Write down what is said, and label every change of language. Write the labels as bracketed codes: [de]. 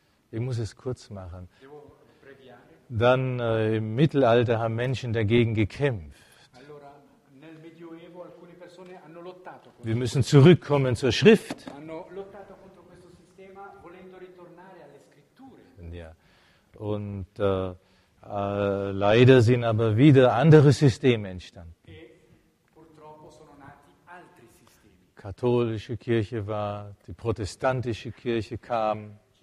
[de] Ich muss es kurz machen. Dann im Mittelalter haben Menschen dagegen gekämpft. [it] Allora, nel Medioevo alcune persone hanno lottato. [de] Wir müssen zurückkommen zur Schrift. [it] Hanno lottato contro questo sistema, volendo ritornare alle scritture. [de] Ja. Und leider sind aber wieder andere Systeme entstanden. [it] E purtroppo sono nati altri sistemi. [de] Katholische Kirche war, die protestantische Kirche kam.